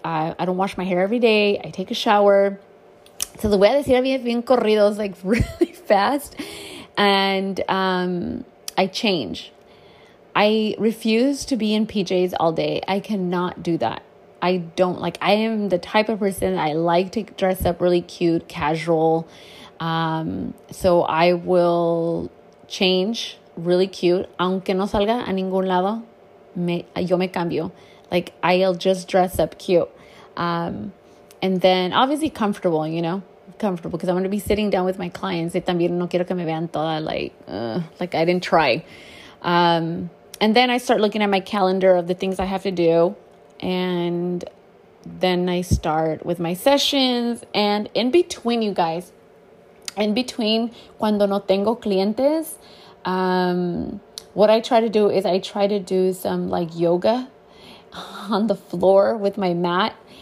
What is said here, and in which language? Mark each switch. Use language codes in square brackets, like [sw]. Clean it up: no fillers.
[en] I don't wash my hair every day. I take a shower. So the way I [es] decir bien bien corrido [en] is like really fast, and I change. I refuse to be in PJs all day. I cannot do that. I don't like, I am the type of person, I like to dress up really cute, casual. So I will change really cute. [es] Aunque no salga a ningún lado, yo me cambio. [en] Like, I'll just dress up cute. And then obviously comfortable, you know, comfortable, because I'm going to be sitting down with my clients. [es] Y también no quiero que me vean toda [en] like I didn't try. And then I start looking at my calendar of the things I have to do. And then I start with my sessions. And in between, you guys, in between, [es] cuando no tengo clientes, [en] what I try to do is I try to do some like yoga on the floor with my mat.